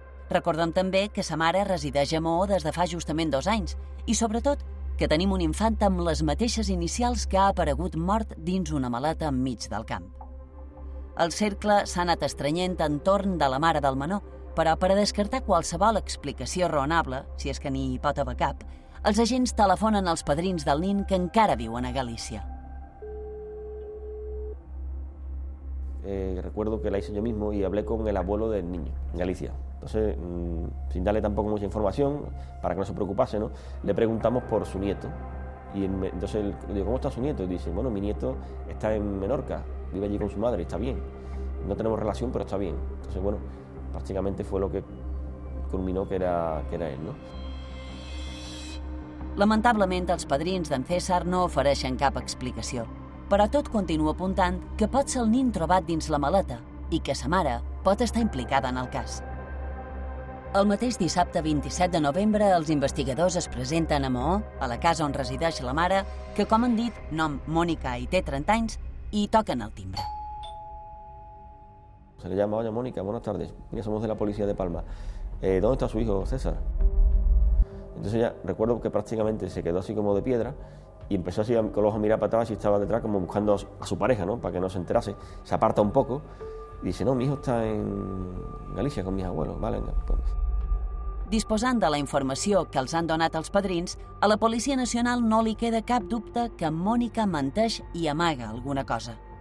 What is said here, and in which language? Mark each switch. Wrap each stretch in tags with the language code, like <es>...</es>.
<ca>Recordem també que sa mare resideix a Mahó des de fa justament dos anys i, sobretot, que tenim un infant amb les mateixes inicials que ha aparegut mort dins una maleta enmig del camp. El cercle s'ha anat estrenyent entorn de la mare del menor, però per a descartar qualsevol explicació raonable, si és que n'hi pot haver cap, els agents telefonen als padrins del nen que encara viuen a Galícia.</ca> <es>Recuerdo que la hice yo mismo y hablé con el abuelo del niño en Galicia. Entonces, sin darle tampoco mucha información, para que no se preocupase, ¿no?, le preguntamos por su nieto. Y entonces le digo, ¿cómo está su nieto? Y dice, bueno, mi nieto está en Menorca, vive allí con su madre, está bien. No tenemos relación, pero está bien. Entonces, bueno, prácticamente fue lo que culminó que era él, ¿no?</es> <ca>Lamentablement, els padrins d'en César no ofereixen cap explicació. Però tot continua apuntant que pot ser el nin trobat dins la maleta i que sa mare pot estar implicada en el cas. El mateix dissabte 27 de novembre, els investigadors es presenten a Mahó, a la casa on resideix la mare, que, com han dit, nom Mònica i té 30 anys, i toquen el timbre.</ca> <es>Se le llama, oye, Mónica, buenas tardes. Mira, somos de la policía de Palma. ¿Dónde está su hijo, César? Entonces ya recuerdo que prácticamente se quedó así como de piedra y empezó así con los ojos a mirar para atrás y estaba detrás como buscando a su pareja, ¿no?, para que no se enterase. Se aparta un poco. I dice, no, mi hijo está en Galicia con mis abuelos, vale, venga, pues.</es> <ca>Disposant de la informació que els han donat els padrins, a la Policia Nacional no li queda cap dubte que Mònica menteix i amaga alguna cosa.</ca>